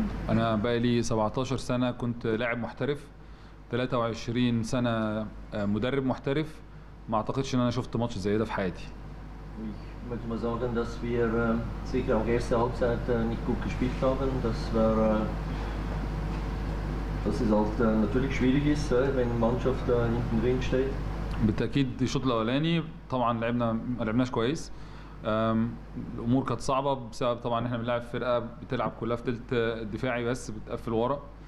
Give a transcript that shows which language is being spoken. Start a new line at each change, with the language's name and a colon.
Arabic: أنا بقى لي 17 سنة كنت لاعب محترف. 23 سنة مدرب محترف. ما اعتقدش ان انا شفت ماتش زي ده في حياتي.
German: Ich möchte mal sagen, dass wir sicher auch erste Halbzeit nicht gut gespielt haben. Das war, das ist halt natürlich schwierig ist, wenn die Mannschaft hinten drin steht.
Arabic: بالتأكيد الشوط الأولاني طبعا لعبنا ما لعبناش كويس. الأمور كانت صعبة بسبب طبعا إحنا بنلعب فرقة بتلعب كلها في تلت دفاعي بس بتقفل ورا.